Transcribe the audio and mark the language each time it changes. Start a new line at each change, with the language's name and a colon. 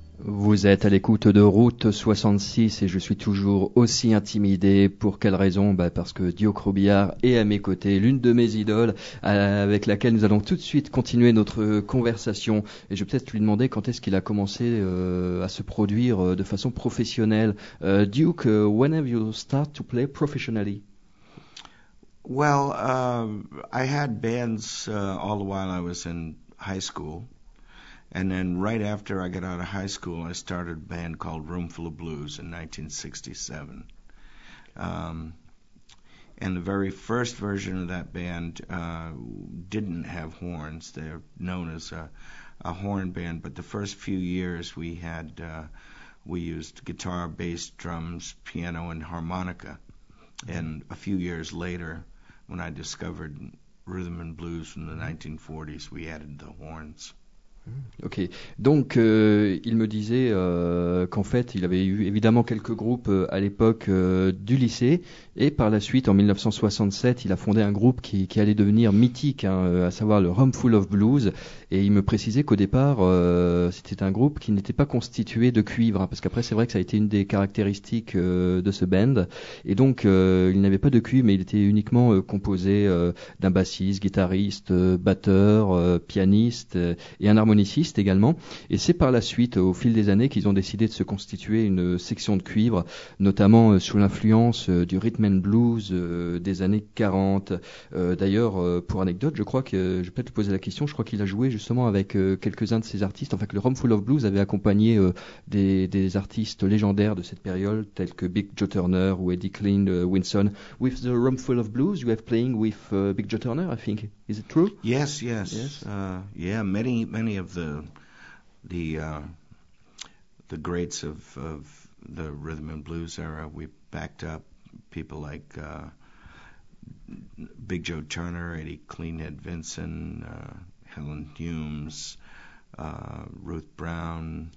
French: Vous êtes à l'écoute de Route 66 et je suis toujours aussi intimidé. Pour quelle raison? Bah parce que Diok Robillard est à mes côtés, l'une de mes idoles, avec laquelle nous allons tout de suite continuer notre conversation. Et je vais peut-être lui demander quand est-ce qu'il a commencé à se produire de façon professionnelle.
English: Diok, when have you start to play professionally? Well, I had bands all the while I was in high school. And then right after I got out of high school, I started a band called Roomful of Blues in 1967. And the very first version of that band didn't have horns. They're known as a horn band. But the first few years we had, we used guitar, bass, drums, piano, and harmonica. And a few years later, when I discovered rhythm and blues from the 1940s, we added the horns.
French: Ok, donc il me disait qu'en fait il avait eu évidemment quelques groupes à l'époque du lycée et par la suite en 1967 il a fondé un groupe qui allait devenir mythique, hein, à savoir le Roomful of Blues, et il me précisait qu'au départ c'était un groupe qui n'était pas constitué de cuivre, hein, parce qu'après c'est vrai que ça a été une des caractéristiques de ce band, et donc il n'avait pas de cuivre mais il était uniquement composé d'un bassiste, guitariste, batteur, pianiste et un harmoniciste également, et c'est par la suite, au fil des années, qu'ils ont décidé de se constituer une section de cuivre, notamment sous l'influence du rhythm and blues des années 40. D'ailleurs, pour anecdote, je crois que, je vais peut-être poser la question, je crois qu'il a joué justement avec quelques-uns de ses artistes, enfin que le Roomful of Blues avait accompagné des artistes légendaires de cette période, tels que Big Joe Turner ou Eddie Clean Winston.
English: With the Roomful of Blues, you have playing with Big Joe Turner, I think. Is it true? Yes, yes. Yes? Yeah, many of the greats of the rhythm and blues era, we backed up people like Big Joe Turner, Eddie Cleanhead Vinson, Helen Humes, Ruth Brown,